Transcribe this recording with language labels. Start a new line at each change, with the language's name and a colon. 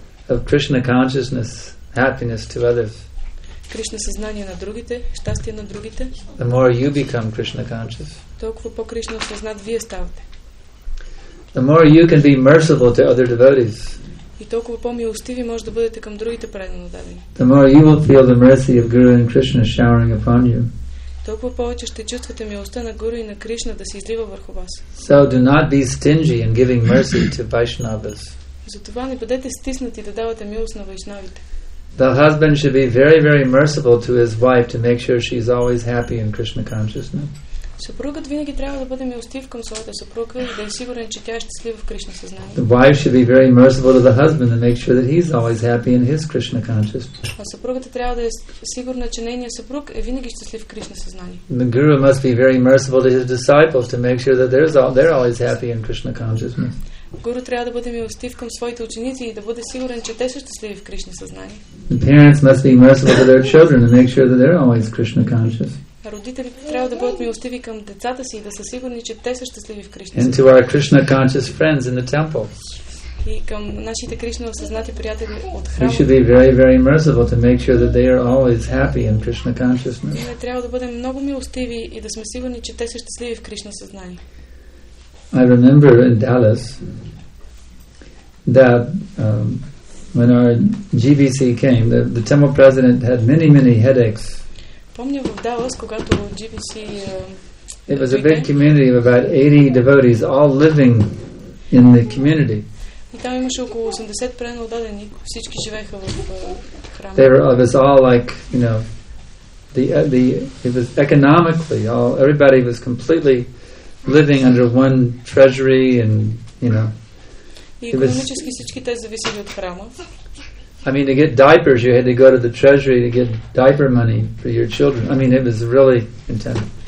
English: Of Krishna consciousness, happiness to others.
Bulgarian: Кришна съзнание на другите, щастие на другите.
English: The more you become Krishna conscious.
Bulgarian: Толкова по-кришна осъзнат вие ставате.
English: The more you can be merciful to other devotees.
Bulgarian: И толкова по-милостиви може да бъдете към другите предано дадени.
English: The more you will feel the mercy of Guru and Krishna showering upon you.
Bulgarian: Толкова повече ще чувствате милостта на Гуру и на Кришна да се излива върху вас.
English: So do not be stingy in giving mercy to Vaishnavas.
Bulgarian: Затова не бъдете стиснати да давате милост на вайшнавите.
English: The husband should be very, very merciful to his wife to make sure she is always happy in Krishna consciousness.
Bulgarian: Съпругът винаги трябва да бъде милостив към своята съпруга и да е сигурен, че тя е щастлива в Кришна съзнание.
English: The wife should be very merciful to the husband and make sure that he's always happy in his Krishna consciousness.
Bulgarian: А съпругата трябва да е сигурна, че нейният съпруг е винаги щастлив в Кришна съзнание.
English: The guru must be very merciful to his disciples to make sure that they're always happy in Krishna consciousness.
Bulgarian: Гуру трябва да бъде милостив към своите ученици и да бъде сигурен, че те са щастливи в Кришна съзнание.
English: The parents must be merciful to their children to make sure that they're always Krishna conscious.
Bulgarian: Родителите трябва да бъдат милостиви към децата си и да са сигурни, че те са щастливи в Кришна.
English: And to our Krishna conscious friends in the temple.
Bulgarian: И към нашите Кришна осъзнати приятели от храма.
English: We should be very, very merciful to make sure that they are always happy in Krishna consciousness.
Bulgarian: Ние трябва да бъдем много милостиви и да сме сигурни, че те са щастливи в Кришна съзнание.
English: I remember in Dallas that when our GBC came, the temple president had many, many headaches.
Bulgarian: Помня в Далас, когато GBC
English: It was a big community of about 80 devotees all living in the community.
Bulgarian: И там имаше около 80 предано отдадени, всички живееха в храма.
English: They were of us all like, you know, the it was economically all, everybody was completely living under one treasury and, you know.
Bulgarian: И икономически всички те зависели от храма.
English: I mean, to get diapers, you had to go to the treasury to get diaper money for your children. I mean, it was really intense.